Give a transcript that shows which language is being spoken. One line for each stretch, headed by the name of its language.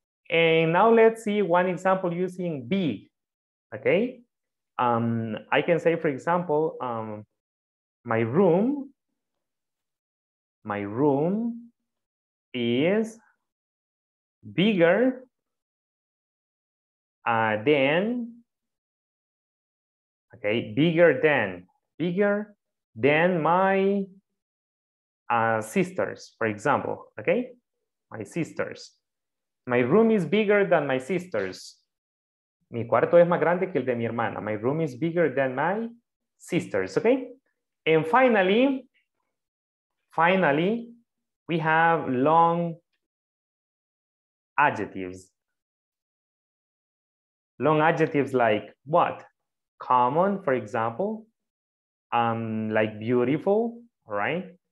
English: And now let's see one example using big, okay, I can say, for example, My room is bigger than, okay, bigger than my sisters, for example, okay? My sisters. My room is bigger than my sisters.
Spanish: Mi cuarto es más grande que el de mi hermana.
English: My room is bigger than my sisters, okay? And finally, we have long adjectives. Long adjectives like what? Common, for example, like beautiful, right?